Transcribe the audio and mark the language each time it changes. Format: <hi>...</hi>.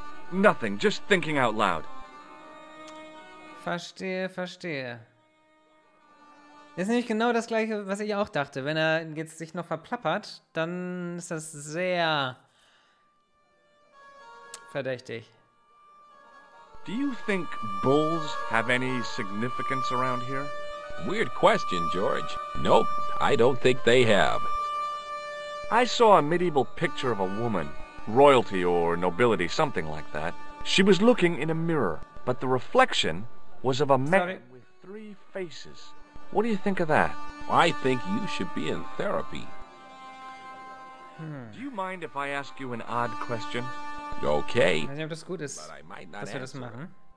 <en>Nothing. Just thinking out loud.</en> <de>Verstehe, verstehe. Das ist nämlich genau das Gleiche, was ich auch dachte. Wenn er jetzt sich noch verplappert, dann ist das sehr verdächtig.</de> <en>Do you think bulls have any significance around here? Weird question, George. Nope, I don't think they have. I saw a medieval picture of a woman. Royalty or nobility, something like that. She was looking in a mirror, but the reflection was of a man with three faces. What do you think of that? I think you should be in therapy. Do you mind if I ask you an odd question? Okay.</en> <de>Ich weiß nicht, ob das gut ist, dass wir das machen.</de>